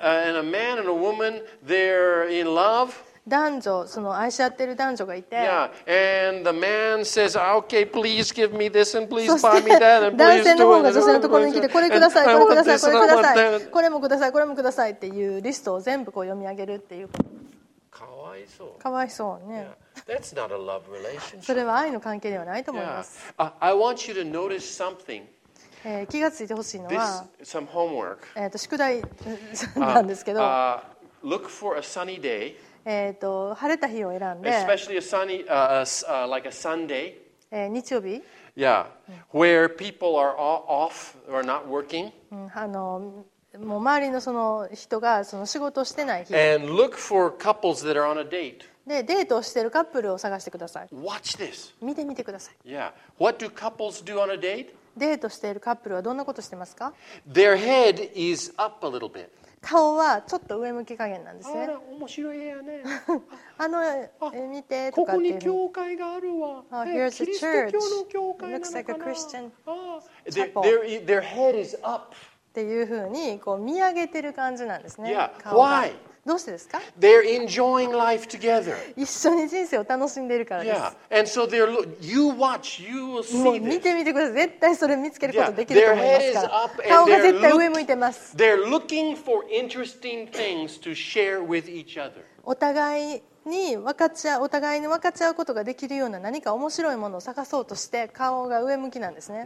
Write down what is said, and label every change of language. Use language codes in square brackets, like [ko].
[en] A man and a woman, they're in love. [ja] 男女、その愛し合ってる男女がいて、 [en] yeah. and the man says, okay, please give me this and please buy me that and [ja] please 男性の方が女性のところに来て、これください、これください、これください、これもください、これもくださいっていうリストを全部こう読み上げるっていう。かわいそう。かわいそうね。 [en] Yeah. That's not a love relationship. [ja] それは愛の関係ではないと思います。 [en] Yeah. I want you to notice something. [ja] 気がついてほしいのは、 [en] this, some homework. [ja] 宿題なんですけど、 [en] look for a sunny day. [ja] 晴れた日を選んで、 [en] especially a sunny, like a Sunday, [ja] 日曜日、 [en] yeah, where people are off or not working, [ja] もう周りのその人がその仕事をしてない日、 [en] and look for couples that are on a date, [ja] でデートをしているカップルを探してください。 [en] Watch this, [ja] 見てみてください。 [en] Yeah, what do couples do on a date? [ja] デートしているカップルはどんなことしてますか? [en] Their head is up a little bit. [ja] 顔はちょっと上向き加減なんですね。あ、面白い絵やね。あの絵見てとかっていう。ここに教会があるわ。 [en] Oh, here's a church. [ja] キリスト教の教会なのかな。 [en] It looks like a Christian chapel. Their head is up. [ja] っていう風にこう見上げてる感じなんですね。 [en] Yeah. Why? [ja] どうしてですか? [en] They're enjoying life together. [ja] 一緒に人生を楽しんでいるからです。 [en] Yeah. And so they're you watch, you will see this. [ja] もう見てみてください。絶対それ見つけることできると思いますから。 [en] Yeah. [ja] 顔が絶対上向いてます。 [en] They're looking for interesting things to share with each other. [ja] お互いに分かち合う、お互いに分かち合うことができるような何か面白いものを探そうとして顔が上向きなんですね。